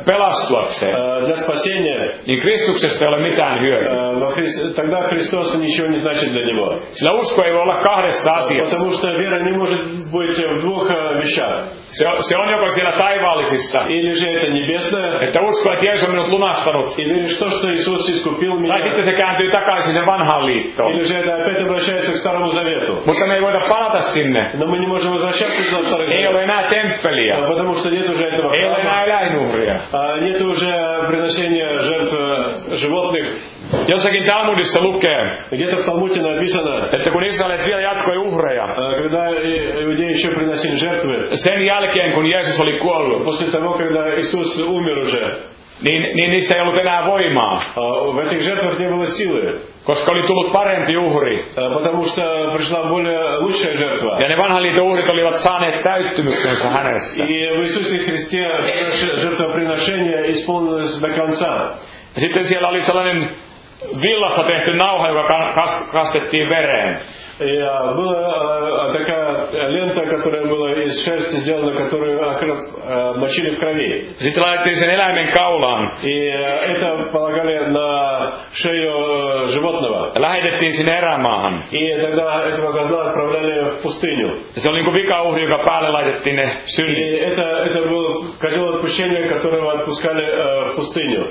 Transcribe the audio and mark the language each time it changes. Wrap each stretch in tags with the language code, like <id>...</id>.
<ru>Пеластвуакseen. Для спасения.</ru> <fi>Niin Kristuksesta ei ole mitään hyötyä.</fi> <ru>Тогда Христос ничего не значит для него.</ru> <fi>Sillä usko ei voi olla kahdessa asiassa.</fi> <ru>Потому что вера не может быть в двух вещах.</ru> <fi>Se on joko siellä taivaallisissa.</fi> <ru>Или же это небесное.</ru> <fi>Että usko, että Jeesus on minut lunastanut.</fi> <ru>Или что, что Иисус искупил меня.</ru> <fi>Tai sitten se kääntyy takaisin sinne vanhaan liittoon.</fi> <ru>Или же это опять обращается к Старому Завету.</ru> <fi>Mutta me ei voida palata sinne.</fi> <ru>Но мы не можем возвращаться туда, старый</ru> <fi>Завет. Ei ole enää темпелия.</fi> <ru>Потому что нет уже этого.</ru> <fi>Ei ole enää eläinuhria.</fi> <ru>Нет уже приношения жертв животных.</ru> <fi>Jossakin Talmudissa lukee.</fi> <ru>Где-то в Талмуде написано.</ru> <fi>Että kun Israelit vielä jatkoi uhreja.</fi> <ru>Когда иудеи еще приносили жертвы.</ru> <fi>Sen jälkeen, kun Jeesus oli kuollut.</fi> <ru>После того, когда Иисус умер уже.</ru> <fi>Niin niissä ei ollut enää voimaa.</fi> <ru>В этих жертвах не было силы.</ru> <fi>Koska oli tullut parempi uhri.</fi> <ru>Потому что пришла более лучшая жертва.</ru> <fi>Ja ne vanhan liiton uhrit olivat saaneet täyttymyksensä hänessä.</fi> <ru>И в Иисусе Христе жертвоприношение исполнилось до конца.</ru> <fi>Ja sitten siellä oli sellainen villasta tehty nauha, joka kastettiin vereen.</fi> <ru>И была такая лента, которая была из шерсти сделана, которую мочили в крови.</ru> <fi>Sitten laitettiin sen eläimen kaulaan.</fi> <ru>И это полагали на шею животного.</ru> <fi>Lähetettiin sinne erämaahan.</fi> <ru>И тогда этого козла отправляли в пустыню.</ru> <fi>Se oli kuin vikauhri, joka päälle laitettiin ne synnit.</fi> <ru>И это был козел отпущения, которого отпускали в пустыню.</ru>